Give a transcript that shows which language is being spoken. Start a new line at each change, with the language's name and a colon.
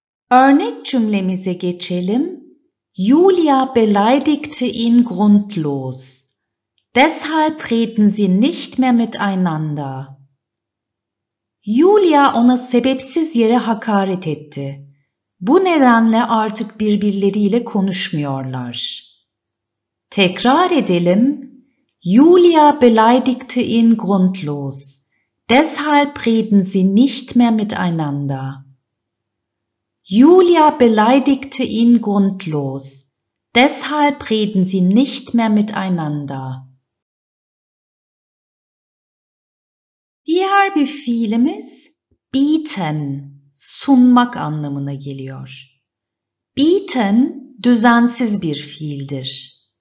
Turkish: Örnek cümlemize geçelim.
German: Julia beleidigte ihn grundlos. Deshalb reden sie nicht mehr miteinander.
Turkish: Julia ona sebepsiz yere hakaret etti. Bu nedenle artık birbirleriyle konuşmuyorlar. Tekrar edelim.
German: Julia beleidigte ihn grundlos. Deshalb reden sie nicht mehr miteinander. Julia beleidigte ihn grundlos. Deshalb reden sie nicht mehr miteinander.
Turkish: Diğer bir fiilimiz bieten, sunmak anlamına geliyor. Bieten, düzensiz bir fiildir.